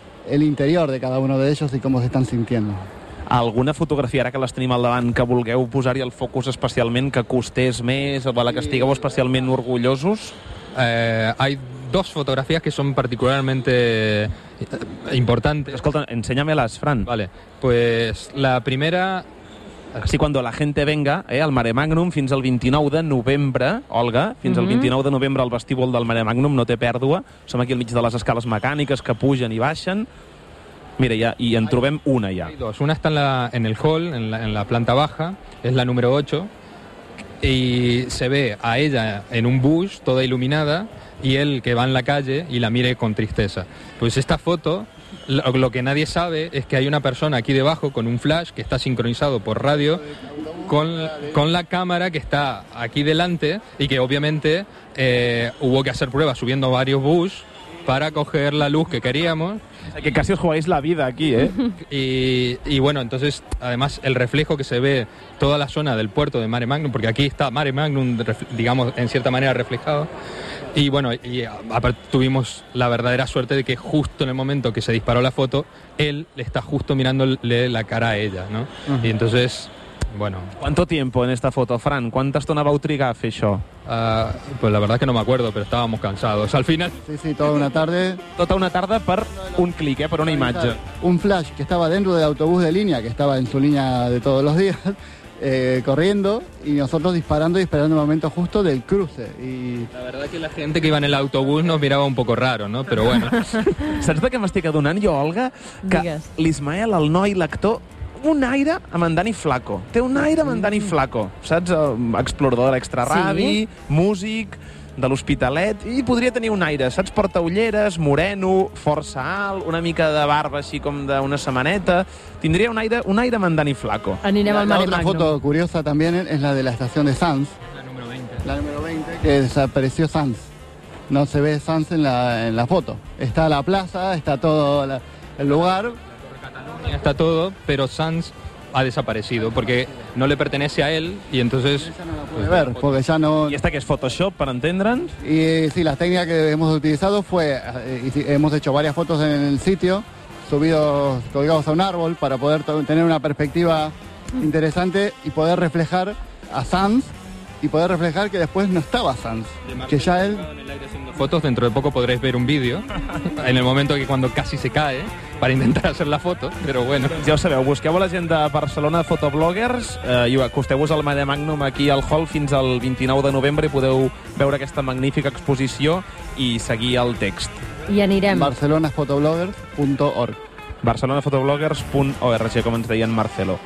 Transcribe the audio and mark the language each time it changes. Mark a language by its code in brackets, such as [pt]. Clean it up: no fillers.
[es] el interior de cada uno de ellos y cómo se están sintiendo. ¿Alguna fotografía, [ca] ara que les tenim al davant, que vulgueu posar-hi el focus especialment, que costés més, o de la que estigueu especialment orgullosos? [es] Hay dos fotografías que son particularmente importantes. Escolta, enséñamelas, Fran. Vale, pues la primera... Así cuando la gente venga, [ca] al Mare Magnum, fins al 29 de novembre, Olga, fins al 29 de novembre al vestíbul del Mare Magnum, no té pèrdua. Som aquí al mig de les escales mecàniques que pugen i baixen. Mira, ya, y en trobem una ya. [es] Hay dos. Una está en el hall, en la planta baja, es la número 8, y se ve a ella en un bus, toda iluminada, y él que va en la calle y la mire con tristeza. Pues esta foto, lo que nadie sabe es que hay una persona aquí debajo con un flash que está sincronizado por radio con la cámara que está aquí delante y que obviamente hubo que hacer pruebas subiendo varios bus para coger la luz que queríamos. Que casi os jugáis la vida aquí, ¿eh? Y bueno, entonces, además, el reflejo que se ve toda la zona del puerto de Mare Magnum, porque aquí está Mare Magnum, digamos, en cierta manera reflejado. Y bueno, y aparte tuvimos la verdadera suerte de que justo en el momento que se disparó la foto, él le está justo mirándole la cara a ella, ¿no? Uh-huh. Y entonces, bueno... ¿Cuánto tiempo en esta foto, Fran? [ca] ¿Cuánta estona va a trigar a fer això? [es] Pues la verdad es que no me acuerdo, pero estábamos cansados. Al final... Sí, toda una tarde. Toda una tarde [ca] per un clic, per una imatge. [es] Un flash que estaba dentro del autobús de línea, que estaba en su línea de todos los días, corriendo, y nosotros disparando y esperando el momento justo del cruce. Y... La verdad es que la gente que iba en el autobús nos miraba un poco raro, ¿no? Pero bueno. [ca] Saps de què m'estic adonant jo, Olga? Que l'Ismael, el noi, l'actor... un aire amb en Dani Flaco. Té un aire amb en Dani Flaco. Saps? Explorador de l'extra radi, sí. Músic, de l'Hospitalet... I podria tenir un aire, saps? Porta ulleres, moreno, força alt, una mica de barba així com d'una setmaneta... Tindria un aire amb en Dani Flaco. Anirem al Mare Magno. La foto curiosa també és la de la estació de Sants. La número 20. [es] La número 20, que desapareció Sants. No se ve Sants en la foto. [ca] Està a la plaça, està tot el lugar... [es] Está todo, pero Sanz ha desaparecido porque no le pertenece a él y entonces... Pues, a ver, porque ya no... ¿Y esta que es Photoshop, para entendran? Y sí, la técnica que hemos utilizado fue... hemos hecho varias fotos en el sitio, subidos, colgados a un árbol para poder tener una perspectiva interesante y poder reflejar a Sanz y poder reflejar que después no estaba Sanz, que ya él... Fotos, dentro de poco podréis ver un vídeo en el momento que cuando casi se cae para intentar hacer la foto, pero bueno. [ca] Ja ho sabeu, busqueu la gent de Barcelona Fotobloggers i acosteu-vos al Mare Magnum aquí al hall fins al 29 de novembre i podeu veure aquesta magnífica exposició i seguir el text. I anirem. BarcelonaFotobloggers.org BarcelonaFotobloggers.org, com ens deien Marcelo.